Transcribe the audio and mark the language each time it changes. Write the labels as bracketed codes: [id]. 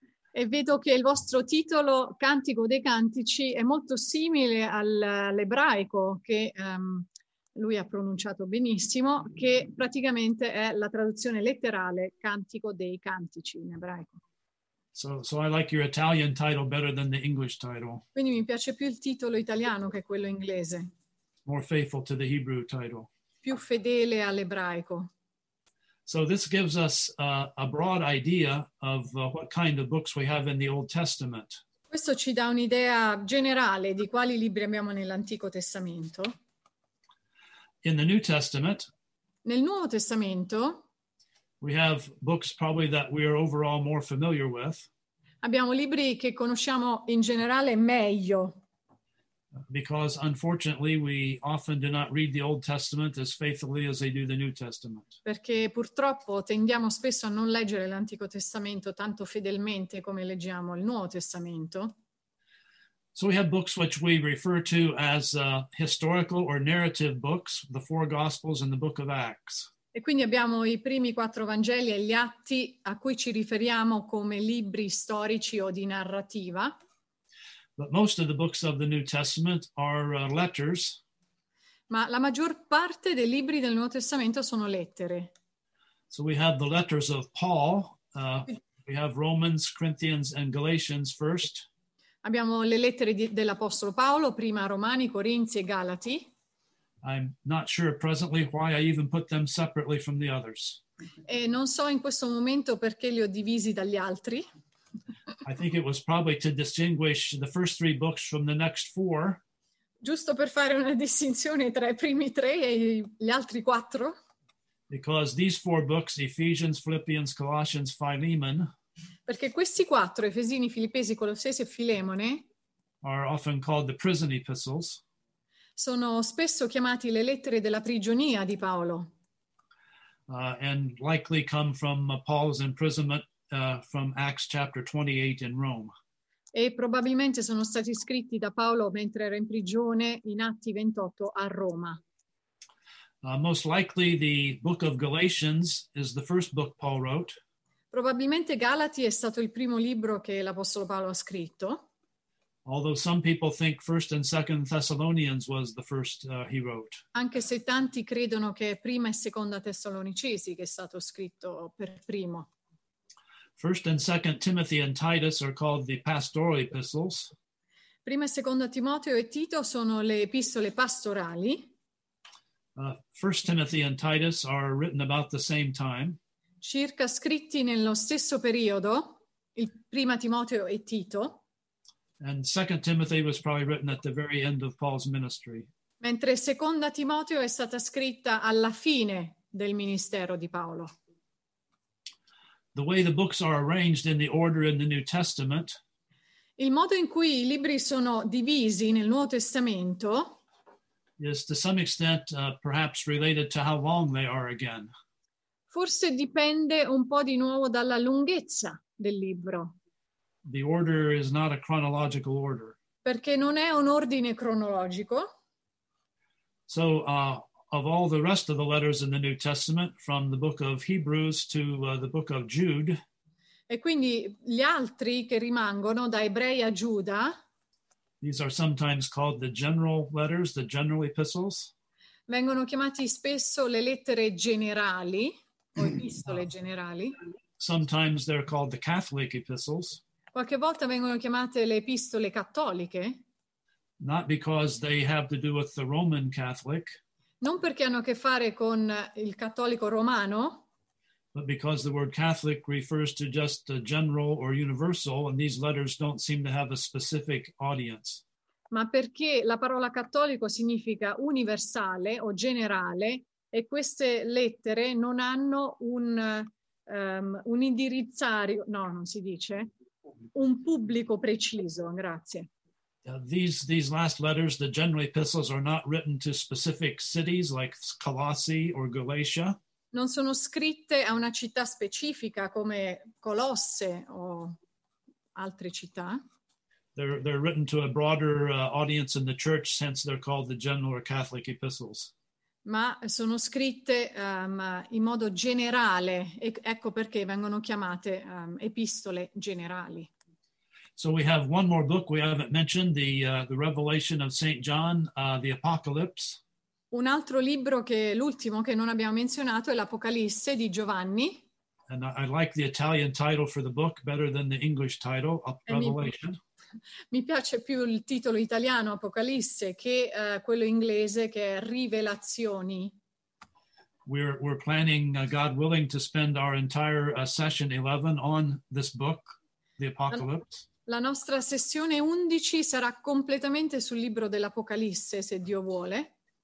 [it] E vedo che il vostro titolo, Cantico dei Cantici, è molto simile all'ebraico che... lui ha pronunciato benissimo, che praticamente è la traduzione letterale Cantico dei Cantici in ebraico. [en] So I like your Italian title better than the English title. [it] Quindi mi piace più il titolo italiano che quello inglese. [en] More faithful to the Hebrew title. [it] Più fedele all'ebraico. [en] So this gives us a broad idea of what kind of books we have in the Old Testament. [it] Questo ci dà un'idea generale di quali libri abbiamo nell'Antico Testamento. [en] In the New Testament, [it] nel Nuovo Testamento, [en] we have books probably that we are overall more familiar with. [it] Abbiamo libri che conosciamo in generale meglio. [en] Because unfortunately, we often do not read the Old Testament as faithfully as they do the New Testament. [it] Perché purtroppo tendiamo spesso a non leggere l'Antico Testamento tanto fedelmente come leggiamo il Nuovo Testamento. [en] So we have books which we refer to as historical or narrative books, the four Gospels and the Book of Acts. [it] E quindi abbiamo i primi quattro Vangeli e gli Atti a cui ci riferiamo come libri storici o di narrativa. [en] But most of the books of the New Testament are letters. [it] Ma la maggior parte dei libri del Nuovo Testamento sono lettere. [en] So we have the letters of Paul. We have Romans, Corinthians and Galatians first. [it] Abbiamo le lettere dell'Apostolo Paolo, prima Romani, Corinzi e Galati. [en] I'm not sure presently why I even put them separately from the others. [it] E non so in questo momento perché li ho divisi dagli altri. [en] I think it was probably to distinguish the first three books from the next four. [it] Giusto per fare una distinzione tra i primi tre e gli altri quattro. [en] Because these four books, Ephesians, Philippians, Colossians, Philemon, [it] perché questi quattro, Efesini, Filippesi, Colossesi e Filemone, [en] are often called the prison epistles, [it] sono spesso chiamati le lettere della prigionia di Paolo. [en] And likely come from Paul's imprisonment from Acts chapter 28 in Rome. [it] E probabilmente sono stati scritti da Paolo mentre era in prigione in Atti 28 a Roma. [en] Most likely the book of Galatians is the first book Paul wrote. [it] Probabilmente Galati è stato il primo libro che l'Apostolo Paolo ha scritto. [en] Although some people think First and Second Thessalonians was the first he wrote. [it] Anche se tanti credono che Prima e Seconda Tessalonicesi che è stato scritto per primo. [en] First and Second Timothy and Titus are called the pastoral epistles. [it] Prima e Seconda Timoteo e Tito sono le epistole pastorali. [en] First Timothy and Titus are written about the same time. [it] Circa scritti nello stesso periodo, il Prima Timoteo e Tito. [en] And Second Timothy was probably written at the very end of Paul's ministry. [it] Mentre Seconda Timoteo è stata scritta alla fine del ministero di Paolo. [en] The way the books are arranged in the order in the New Testament. [it] Il modo in cui i libri sono divisi nel Nuovo Testamento. [en] Is to some extent perhaps related to how long they are again. [it] Forse dipende un po' di nuovo dalla lunghezza del libro. [en] The order is not a chronological order. [it] Perché non è un ordine cronologico. [en] So, of all the rest of the letters in the New Testament, from the book of Hebrews to the book of Jude. [it] E quindi gli altri che rimangono, da Ebrei a Giuda. [en] These are sometimes called the general letters, the general epistles. [it] Vengono chiamati spesso le lettere generali, o epistole generali. [en] Sometimes they're called the Catholic epistles. [it] Qualche volta vengono chiamate le epistole cattoliche. [en] Not because they have to do with the Roman Catholic. [it] Non perché hanno a che fare con il cattolico romano. [en] But because the word Catholic refers to just a general or universal, and these letters don't seem to have a specific audience. [it] Ma perché la parola cattolico significa universale o generale, e queste lettere non hanno un indirizzario, no, non si dice, un pubblico preciso, grazie. [en] These last letters, the general epistles, are not written to specific cities like Colossae or Galatia. [it] Non sono scritte a una città specifica come Colosse o altre città. [en] They're written to a broader audience in the church, since they're called the general or Catholic epistles. [it] Ma sono scritte in modo generale, e ecco perché vengono chiamate epistole generali. [en] So we have one more book we haven't mentioned, the Revelation of St. John, the Apocalypse. [it] Un altro libro, che l'ultimo che non abbiamo menzionato, è l'Apocalisse di Giovanni. [en] And I like the Italian title for the book better than the English title, Revelation. [it] Mi piace più il titolo italiano, Apocalisse, che quello inglese, che è Rivelazioni. [en] We're planning, God willing, to spend our entire session 11 on this book, The Apocalypse. [it] La nostra sessione 11 sarà completamente sul libro dell'Apocalisse, se Dio vuole.